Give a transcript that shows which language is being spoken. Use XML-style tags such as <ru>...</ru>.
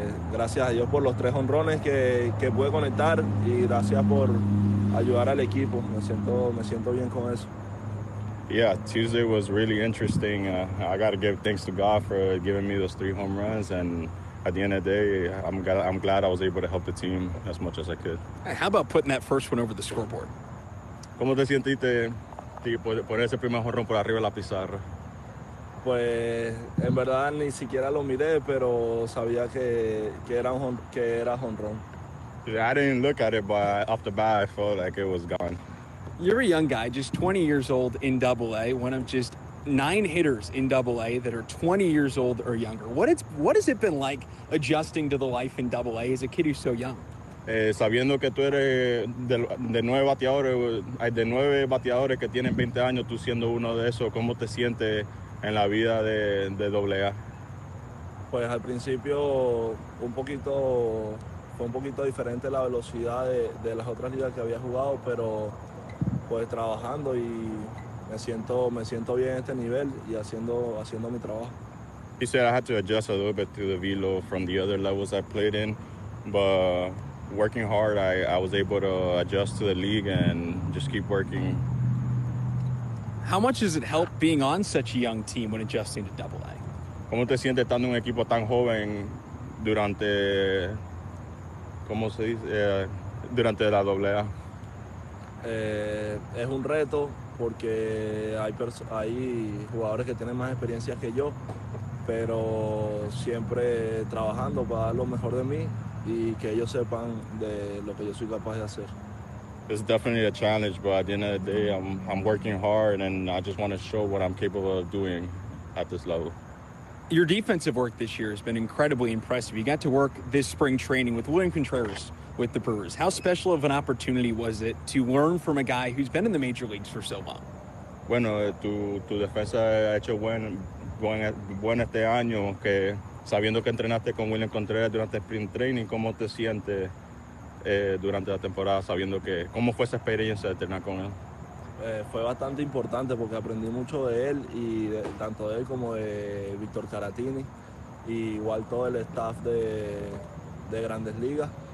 <es>Gracias a Dios por los tres jonrones que pude conectar y gracias por ayudar al equipo. Me siento bien con eso.</es> <en>Yeah, Tuesday was really interesting. I got to give thanks to God for giving me those three home runs, and at the end of the day, I'm glad I was able to help the team as much as I could. Hey, how about putting that first one over the scoreboard?</en> <es>¿Cómo te sentiste por ese primer jonrón por arriba de la pizarra? Pues en verdad ni siquiera lo miré, pero sabía que era jonrón.</es> <en>Yeah, I didn't look at it, but off the bat I felt like it was gone. You're a young guy, just 20 years old in Double A, one of just 9 hitters in Double A that are 20 years old or younger. What has it been like adjusting to the life in Double A as a kid who's so young?</en> <es>Sabiendo que tú eres de nueve bateadores que tienen 20 años, tú siendo uno de esos, ¿cómo te sientes en la vida de Double A? Pues al principio fue un poquito diferente la velocidad de las otras ligas que había jugado, pero pues trabajando y me siento bien en este nivel y haciendo mi trabajo.</es> <en>He said I had to adjust a little bit to the velo from the other levels I played in, but working hard I was able to adjust to the league and just keep working. How much does it help being on such a young team when adjusting to Double A?</en> <es>¿Cómo te sientes estando en un equipo tan joven durante, cómo se dice, durante la Double A? Es un reto porque hay jugadores que tienen más experiencia que yo, pero siempre trabajando para dar lo mejor de mí y que ellos sepan de lo que yo soy capaz de hacer.</es> <en>It's definitely a challenge, but at the end of the day, I'm working hard, and I just want to show what I'm capable of doing at this level. Your defensive work this year has been incredibly impressive. You got to work this spring training with William Contreras with the Brewers. How special of an opportunity was it to learn from a guy who's been in the major leagues for so long?</en> <es>Bueno, tu defensa ha hecho buen este año, que sabiendo que entrenaste con William Contreras durante spring training, ¿cómo te sientes durante la temporada, sabiendo que cómo fue esa experiencia de entrenar con él? Fue bastante importante porque aprendí mucho de él y tanto de él como de Víctor Caratini y igual todo el staff de Grandes Ligas.</es>